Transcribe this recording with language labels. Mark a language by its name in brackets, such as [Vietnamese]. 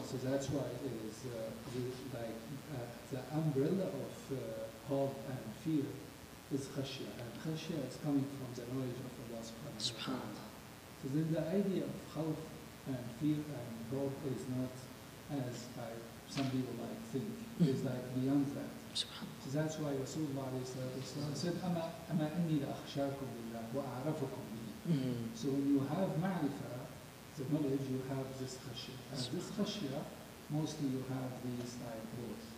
[English] So that's why it is like the umbrella of hope and fear is khashya, and khashya is coming from the knowledge of Allah subhanahu wa ta'ala. So then the idea of khawf and fear and hope is not as some people might think. Mm-hmm. It's like beyond that. So that's why Rasulullah said, [Arabic] أَمَا أَنِّي لَأَخْشَاكُمْ لِلَّهِ وَأَعْرَفُكُمْ لِي. [English] So when you have ma'rifah, the knowledge, you have this khashya. And this khashya, mostly you have these both.